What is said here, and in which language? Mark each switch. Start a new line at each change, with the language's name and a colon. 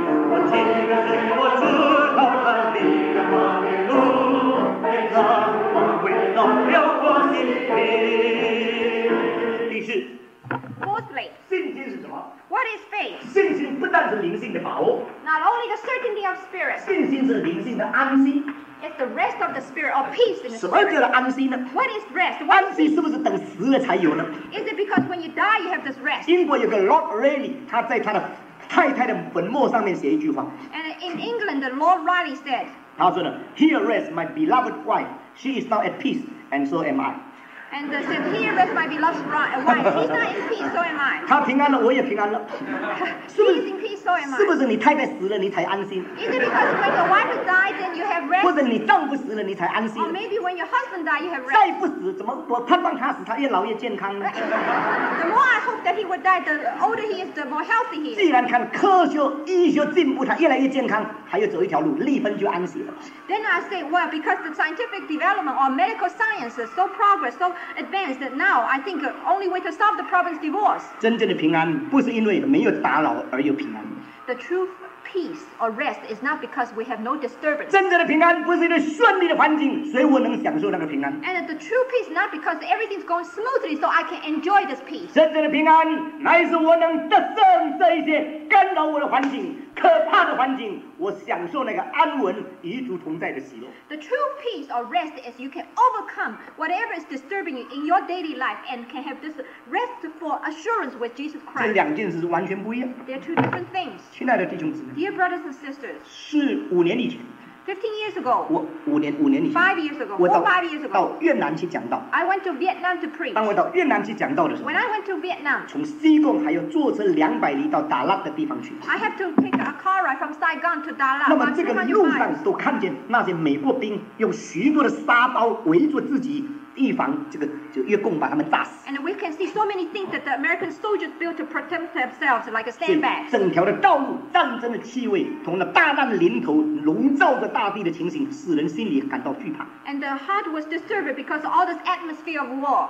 Chinese: 我今日在我自豪的那一路，天上光辉照亮我心底。第四。
English: Fourthly.
Chinese: 信心是什么？
English: What is faith?
Chinese: 信心不但是灵性的把握。
English: Not only the certainty of spirit.
Chinese: 信心是灵性的安息。
English: It's the rest of the spirit or peace in the spirit.
Chinese: 什么叫做安息呢
English: ？What is rest? What
Chinese: 安息是不是等死了才有呢
English: ？Is it because when you die you have this rest?
Chinese: 英国有个 Lord Raleigh， 他在他的太太的坟墓上面写一句话。
English: And in England, the Lord Raleigh said.
Chinese: 他说呢
English: ，Here rests my beloved wife. She is now at peace, and so am I. And said, "Here rests my beloved wife. He's not in peace, so am I."
Chinese: 他平安了，我也平安了。
English: He's in peace, so am I.
Chinese: 是不是你太太死了，你才安心
English: ？Is it because when your wife died, then you have rest?
Chinese: 或者你丈夫死了，你才安心
English: ？Or maybe when your husband died, you have rest?
Chinese: 再不死，怎么我盼望他死，他越老越健康呢
English: ？The more I hope that he would die, the older he is, the more healthy he is.
Chinese: 既然看科学医学进步，他越来越健康，还要走一条路，立分就安息了。
English: Then I say, well, because the scientific development or medical science is so progressed, so advanced that now I think the only way to solve the problem is divorce.
Chinese: 真正的平安不是因为没有打扰而有平安。
English: The true peace or rest is not because we have no disturbance.
Chinese: 真正的平安不是因为顺利的环境，所以我能享受那个平安。
English: And the true peace is not because everything's going smoothly, so I can enjoy this peace.
Chinese: 真正的平安乃是我能得胜这一些干扰我的环境。可怕的环境，我享受那个安稳与主同在的喜乐。
English: The true peace or rest is you can overcome whatever is disturbing you in your daily life and can have this rest for assurance with Jesus Christ.
Chinese: 这两件事是完全不一样。
English: They're two different things.
Chinese: 亲爱的弟兄姊妹
English: ，Dear brothers and sisters，
Chinese: 是五年以前。
English: 15 years ago，
Chinese: 我五年以前
English: ，five years ago，
Chinese: 我到
English: five years ago，
Chinese: 到越南去讲道。
English: I went to Vietnam to preach。
Chinese: 当我到越南去讲道的时候
English: ，When I went to Vietnam，
Chinese: 从西贡还要坐车200里到达拉的地方去。
English: I have to take a car ride from Saigon to Da Lat。
Chinese: 那么这个路上都看见那些美国兵用许多的沙包围住自己。预防这个就越共把他们炸死。
English: And we can see so many things that the American soldiers built to protect themselves like a sandbag.
Chinese: 整条的道路战争的气味，同那大难临头笼罩着大地的情形，使人心里感到惧怕。
English: And the heart was disturbed because of all this atmosphere of war.